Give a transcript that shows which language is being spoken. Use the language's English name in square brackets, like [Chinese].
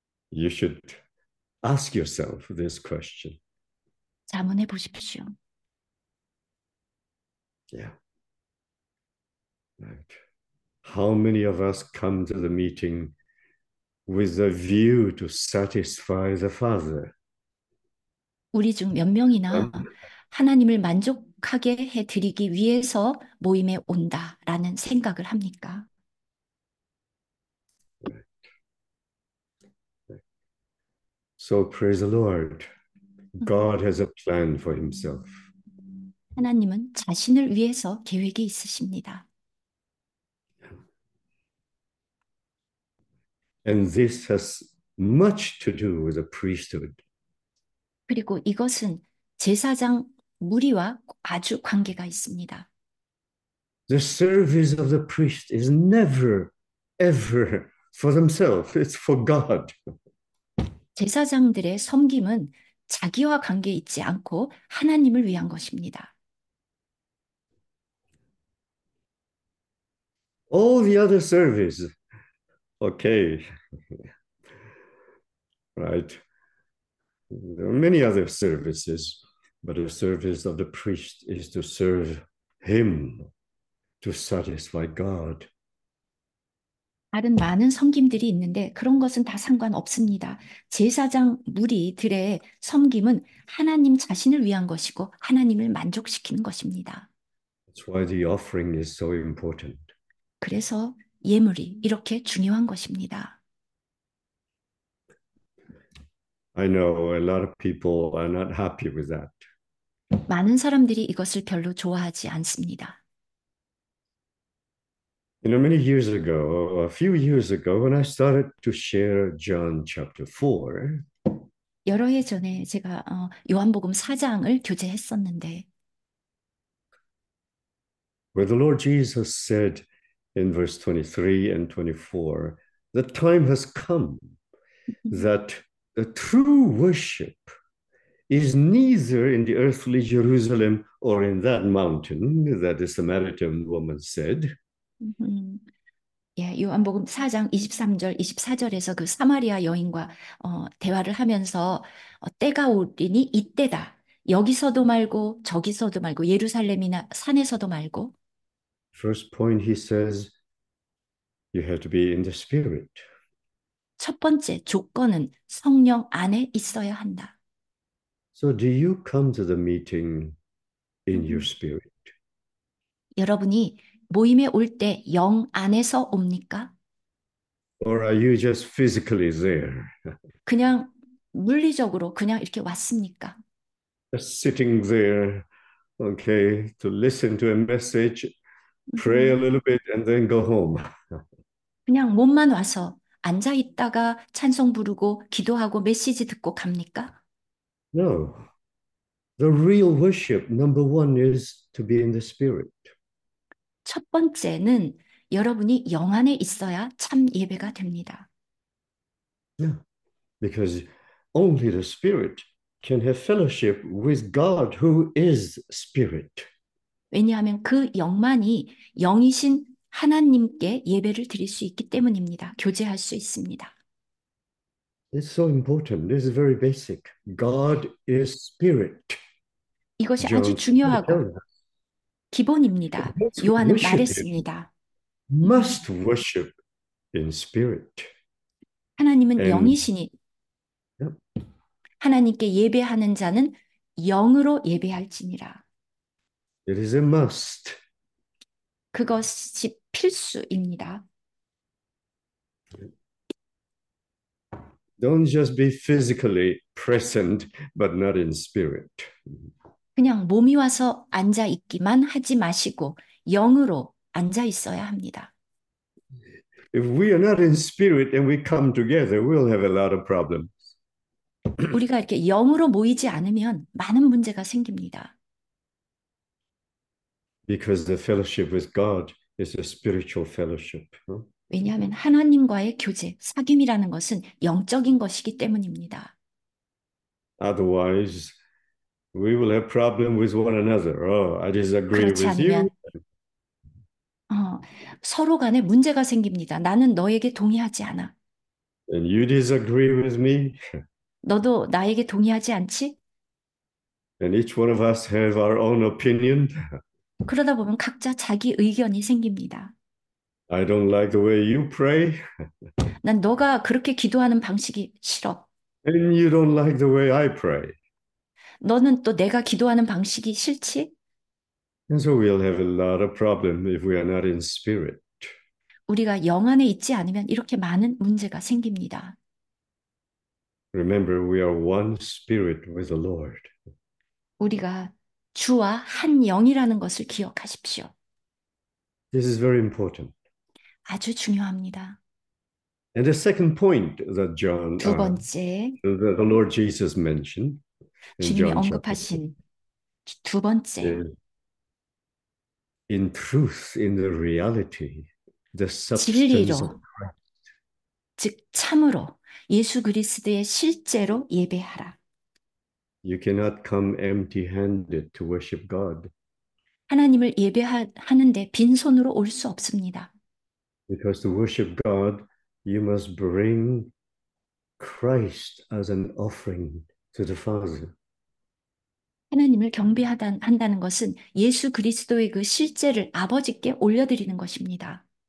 [English] You should ask yourself this question. [Korean] 자문해 보십시오. [English] How many of us come to the meeting with a view to satisfy the Father? [Korean] 우리 중몇 명이나 하나님을 만족하게 해드리기 위해서 모임에 온다라는 생각을 합니까? [English] So praise the Lord. God has a plan for himself. [Korean] 하나님은 자신을 위해서 계획이 있으십니다. [English] And this has much to do with the priesthood. [Korean] 그리고 이것은 제사장 무리와 아주 관계가 있습니다. [English] The service of the priest is never, ever for themselves. It's for God. [Korean] 제사장들의 섬김은 자기와 관계 있지 않고 하나님을 위한 것입니다. [English] All the other service. Okay. Right. There are many other services, but the service of the priest is to serve him, to satisfy God. [Korean] 다른 많은 섬김들이 있는데 그런 것은 다 상관없습니다. 제사장 무리들의 섬김은 하나님 자신을 위한 것이고 하나님을 만족시키는 것입니다. [English] That's why the offering is so important. [Korean] 그래서 예물이 이렇게 중요한 것입니다. [English] I know a lot of people are not happy with that. [Korean] 많은 사람들이 이것을 별로 좋아하지 않습니다. [English] Many years ago, a few years ago, when I started to share John chapter 4, [Korean] 여러 해 전에 제가 요한복음 4장을 교제했었는데 [English] where the Lord Jesus said in verse 23 and 24, the time has come that the true worship is neither in the earthly Jerusalem or in that mountain that the Samaritan woman said. [Korean] Yeah, 요한복음 4장 23절, 24절에서 그 사마리아 여인과 대화를 하면서 때가 오리니 이때다. 여기서도 말고 저기서도 말고 예루살렘이나 산에서도 말고. [English] First point, he says, you have to be in the spirit. [Korean] 첫 번째 조건은 성령 안에 있어야 한다. [English] So, do you come to the meeting in your spirit? [Korean] 여러분이 모임에 올때영 안에서 옵니까? [English] Or are you just physically there? [Korean] 그냥 물리적으로 그냥 이렇게 왔습니까? [English] Just sitting there, okay, to listen to a message, pray a little bit, and then go home. [Korean] 그냥 몸만 와서 앉아 있다가 찬송 부르고 기도하고 메시지 듣고 갑니까? [English] No, the real worship, number one, is to be in the spirit. [Korean] 첫 번째는 여러분이 영 안에 있어야 참 예배가 됩니다. [English] Yeah, because only the spirit can have fellowship with God who is spirit. [Korean] 왜냐하면 그 영만이 영이신 하나님께 예배를 드릴 수 있기 때문입니다. 교제할 수 있습니다. [English] It's so important. This is very basic. God is spirit. [Korean] 이것이 아주 [English] John [Korean] 중요하고 [English] tells [Korean] 기본입니다. 요한은 [English] us. Worshipers [Korean] 말했습니다. [English] must worship in spirit. [Korean] 하나님은 [English] And [Korean] 영이시니 하나님께 예배하는 자는 영으로 예배할지니라. [English] It is a must. [Korean] 그것이 필수입니다. [English] Don't just be physically present, but not in spirit. [Korean] 그냥 몸이 와서 앉아 있기만 하지 마시고 영으로 앉아 있어야 합니다. [English] If we are not in spirit and we come together, we'll have a lot of problems. [Korean] 우리가 이렇게 영으로 모이지 않으면 많은 문제가 생깁니다. [English] Because the fellowship with God is a spiritual fellowship. [Korean] 왜냐하면 하나님과의 교제, 사귐이라는 것은 영적인 것이기 때문입니다. [English] Otherwise, we will have problem with one another. Oh, I disagree [Korean] 그렇지 [English] with you. [Korean] 않으면 서로 간에 문제가 생깁니다. 나는 너에게 동의하지 않아. [English] And you disagree with me. [Korean] 너도 나에게 동의하지 않지? [English] And each one of us have our own opinion. [Korean] 그러다 보면 각자 자기 의견이 생깁니다. [English] I don't like the way you pray. [Korean] 난 너가 그렇게 기도하는 방식이 싫어. [English] And you don't like the way I pray. [Korean] 너는 또 내가 기도하는 방식이 싫지? [English] And so we'll have a lot of problem if we are not in spirit. [Korean] 우리가 영 안에 있지 않으면 이렇게 많은 문제가 생깁니다. [English] Remember, we are one spirit with the Lord. [Korean] 우리가 주와 한 영이라는 것을 기억하십시오. [English] This is very important. [Korean] 아주 중요합니다. [English] And the second point that John, [Korean] 두 번째, [English] the Lord Jesus mentioned in [Korean] 주님이 [English] John chapter 6 [Korean] 언급하신 두 번째, [English] is in truth, in the reality, the substance of [Korean] 진리로, 즉 참으로 예수 그리스도의 실제로 예배하라. [English] Christ. You cannot come empty-handed to worship God. [Korean] 하나님을 예배하는데 빈손으로 올수 없습니다. [English] Because to worship God, you must bring Christ as an offering to the Father. [Korean] 하나님을 경배하다 한다는 것은 예수 그리스도의 그 실제를 아버지께 올려드리는 것입니다.